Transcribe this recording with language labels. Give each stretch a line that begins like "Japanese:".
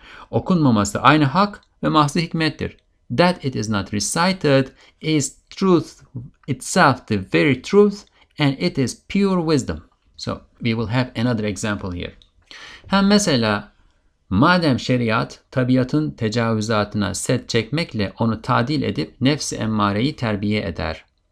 Turkish: Okunmaması aynı hak ve mahz-ı hikmettir.
English: That it is not recited is truth itself, the very truth, and it is pure wisdom. So we will have another example here.
Turkish: Hem mesela, madem şeriat tabiatın tecavüzatına set çekmekle onu tadil edip nefsi emmareyi terbiye eder.